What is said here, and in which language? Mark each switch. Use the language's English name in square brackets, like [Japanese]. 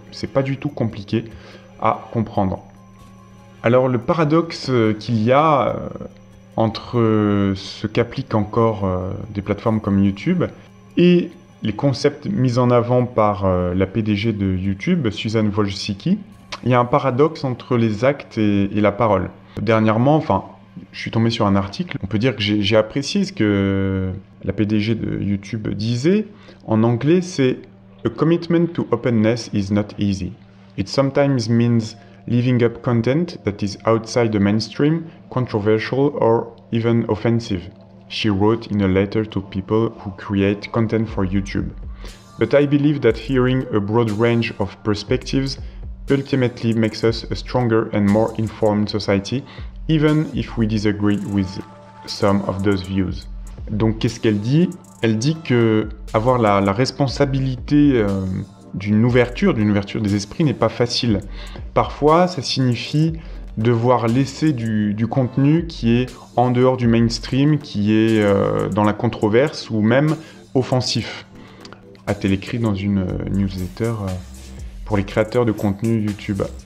[French] C'est pas du tout compliqué à comprendre. Alors, le paradoxe qu'il y a entre ce qu'appliquent encore des plateformes comme YouTube et les concepts mis en avant par la PDG de YouTube, Suzanne Wojcicki, il y a un paradoxe entre les actes et la parole. Dernièrement, enfin, je suis tombé sur un article, on peut dire que j'ai apprécié ce que la PDG de YouTube disait. En anglais, c'est [English] « A commitment to openness is not easy. It sometimes means leaving up content that is outside the mainstream, controversial or even offensive. » She wrote in a letter to people who create content for YouTube. But I believe that hearing a broad range of perspectives ultimately makes us a stronger and more informed society, even if we disagree with some of those views. [French] Donc, qu'est-ce qu'elle dit? Elle dit que avoir la responsabilité d'une ouverture des esprits n'est pas facile. Parfois, ça signifie devoir laisser du contenu qui est en dehors du mainstream, qui est dans la controverse ou même offensif, a-t-elle écrit dans une newsletter pour les créateurs de contenu YouTube.